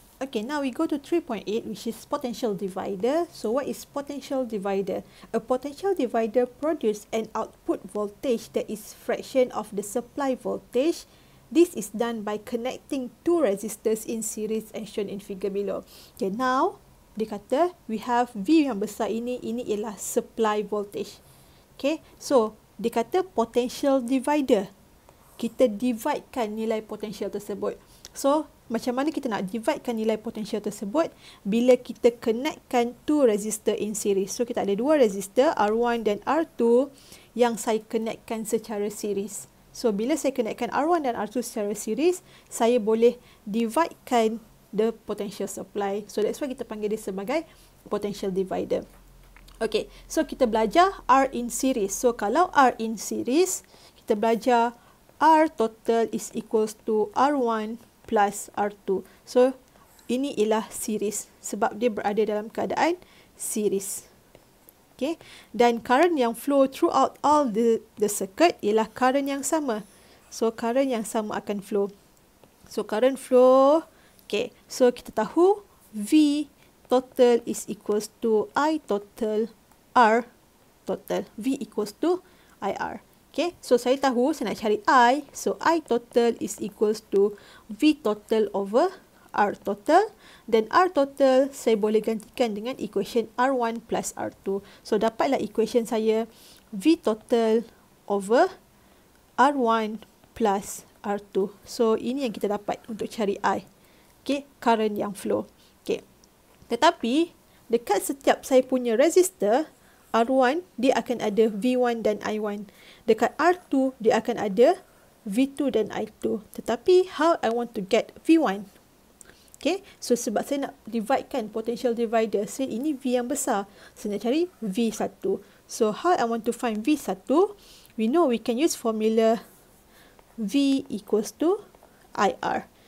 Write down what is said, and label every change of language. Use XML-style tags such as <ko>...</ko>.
<en>Okay, now we go to 3.8, which is potential divider. So what is potential divider? A potential divider produces an output voltage that is fraction of the supply voltage. This is done by connecting two resistors in series as shown in figure below.</en> <ms>Okay,</ms> <en>now</en> <ms>dia kata</ms> <en>we have</en> <ms>V yang besar ini, ini ialah supply voltage. Okay, so dia kata potential divider. Kita dividekan nilai potential tersebut. So macam mana kita nak dividekan nilai potensial tersebut? Bila kita connectkan</ms> <en>two resistor in series.</en> <ms>So, kita ada dua resistor, R1 dan R2 yang saya connectkan secara series. So, bila saya connectkan R1 dan R2 secara series, saya boleh dividekan</ms> <en>the potential supply. So, that's why</en> <ms>kita panggil dia sebagai potential divider. Okay, so kita belajar R in series. So, kalau R in series, kita belajar</ms> <en>R total is equals to R1 plus R2.</en> <ms>So, ini ialah series sebab dia berada dalam keadaan series. Okay. Dan current yang</ms> <en>flow throughout all the circuit</en> <ms>ialah current yang sama. So, current yang sama akan flow. So, current flow. Okay.</ms> <en>So,</en> <ms>kita tahu</ms> <en>V total is equals to I total R total. V equals to IR.</en> <ms>Okay, so saya tahu saya nak cari I.</ms> <en>So, I total is equals to V total over R total.</en> <ms>Then, R total saya boleh gantikan dengan equation R1 plus R2. So, dapatlah equation saya V total over R1 plus R2. So, ini yang kita dapat untuk cari I. Okay, current yang flow. Okay, tetapi dekat setiap saya punya resistor, R1, dia akan ada V1 dan I1. Dekat R2, dia akan ada V2 dan I2. Tetapi,</ms> <en>how I want to get V1?</en> <ms>Okay, so sebab saya nak dividekan potential divider, saya ini V yang besar. Saya nak cari V1.</ms> <en>So, how I want to find V1? We know we can use formula V equals to IR.</en>